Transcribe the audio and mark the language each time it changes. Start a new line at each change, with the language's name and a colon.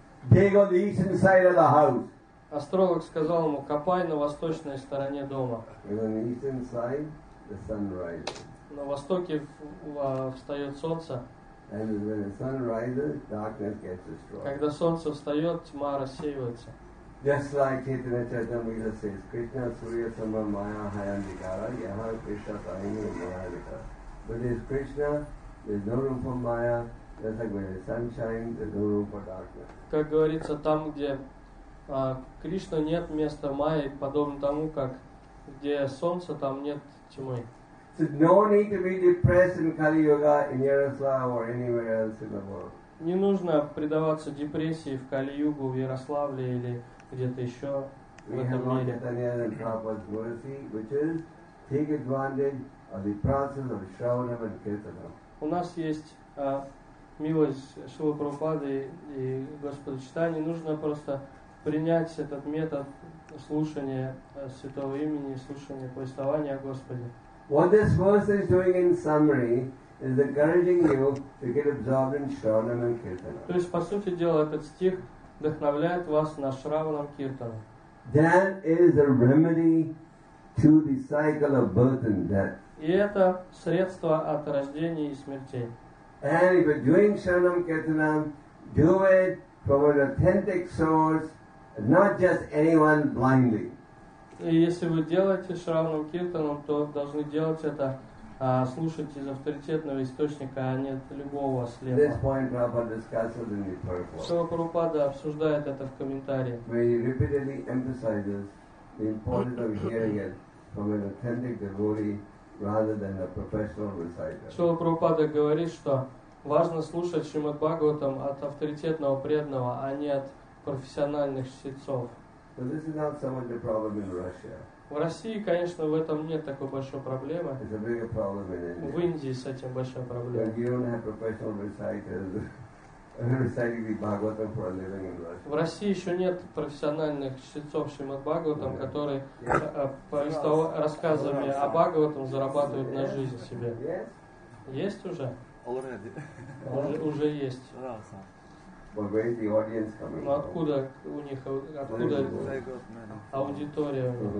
English: Dig on the eastern side of the house.
Russian: Астролог сказал ему, копай на восточной стороне дома. На востоке встает солнце.
English: And when the sun rises, darkness gets destroyed.
Russian: Когда солнце встает, тьма рассеивается.
English: Just like Chaitanya Charitamrita says,
Sanskrit: Krishna Surya Sama Maya Haya Vikara, Yaha Krishna Tahini Maya Vikara.
English: But there's Krishna, there's no room for Maya. Just like when the sun shines, there's no room for darkness.
Russian: Как говорится, там где Кришна нет места Майи, подобно тому как где солнце, там нет тьмы.
English: So no need to be depressed in Kali Yuga, in Yaroslav or anywhere else in the world.
Russian: Не нужно предаваться депрессии в Кали Югу, в Ярославле или где-то еще в этом мире.
English: We have Lord Chaitanya Prabhupada's mercy, which is take advantage of the process of Shravanam and Kirtanam.
Russian: У нас есть милость Шрилы Прабхупады и Господа Чайтаньи. Нужно просто принять этот метод слушания Святого Имени, слушания повествования о Господе.
English: What this verse is doing in summary is encouraging you to get absorbed in Shravanam and Kirtanam.
Russian: То есть, по сути дела, этот стих вдохновляет вас на Шраванам Киртанам.
English: That is a remedy to the cycle of birth and death.
Russian: И это средство от рождения и смертей.
English: And if you're doing Shravanam Kirtanam, do it from an authentic source, not just anyone blindly.
Russian: И если вы делаете Шравану Киртаном, то должны делать это, слушать из авторитетного источника, а не от любого слепого.
English: This point Prabhupada discusses in the purport.
Russian: Шрила Прабхупада обсуждает это в комментарии.
English: Where he repeatedly emphasizes the importance of hearing it from an authentic devotee rather than a professional reciter.
Russian: Шрила Прабхупада говорит, что важно слушать Шримад Бхагаватам от авторитетного преданного, а не от профессиональных чтецов.
English: So this is not so much a problem in Russia.
Russian: В России, конечно, в этом нет такой большой проблемы.
English: It's a bigger problem in India.
Russian: В Индии с этим большая проблема.
English: But you don't have professional reciters reciting the Bhagavatam for a living in Russia.
Russian: В России еще нет профессиональных чтецов Шримад Бхагаватам, которые рассказами о Бхагаватам зарабатывают на жизнь себе. Есть уже?
English: Already.
Russian: Уже есть.
English: But where is the audience coming from?
Russian: Откуда у них, откуда аудитория?